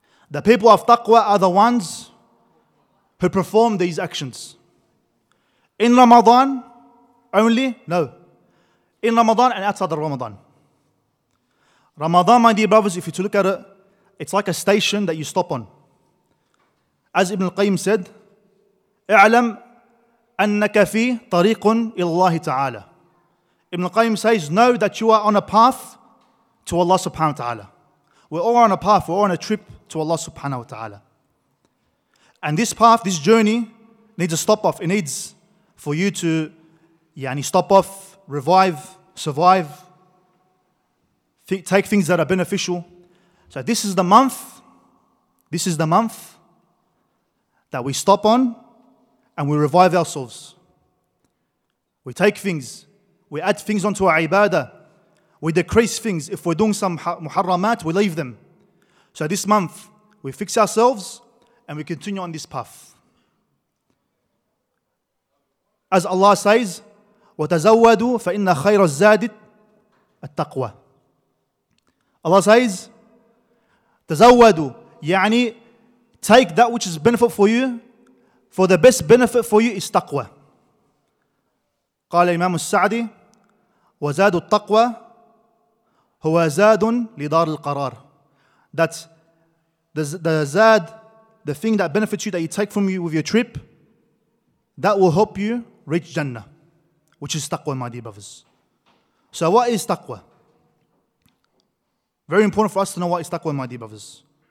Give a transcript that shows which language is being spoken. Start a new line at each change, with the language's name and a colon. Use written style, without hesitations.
English: The people of taqwa are the ones who perform these actions. In Ramadan only? No. In Ramadan and outside of Ramadan. Ramadan, my dear brothers, if you look at it, it's like a station that you stop on. As Ibn al-Qayyim said,
Arabic: اعلم أنك في طريق إلى الله تعالى.
English: Ibn al-Qayyim says, know that you are on a path to Allah subhanahu wa ta'ala. We're all on a path, we're all on a trip to Allah subhanahu wa ta'ala. And this path, this journey, needs a stop off. It needs for you to stop off, revive, survive, take things that are beneficial. So this is the month, that we stop on, and we revive ourselves. We take things. We add things onto our ibadah. We decrease things. If we're doing some muharramat, we leave them. So this month, we fix ourselves and we continue on this path. As Allah says,
Arabic: وَتَزَوَّدُوا فَإِنَّ خَيْرَ الزَّادِ التَّقْوَى.
English: Allah says,
Arabic: تَزَوَّدُوا,
English: take that which is benefit for you. For the best benefit for you is taqwa.
Arabic: قال الإمام السعدي وزاد التقوى هو زاد لدار القرار.
English: That the thing that benefits you, that you take from you with your trip, that will help you reach Jannah, which is taqwa, my dear brothers. So what is taqwa? Very important for us to know what is taqwa, my dear brothers.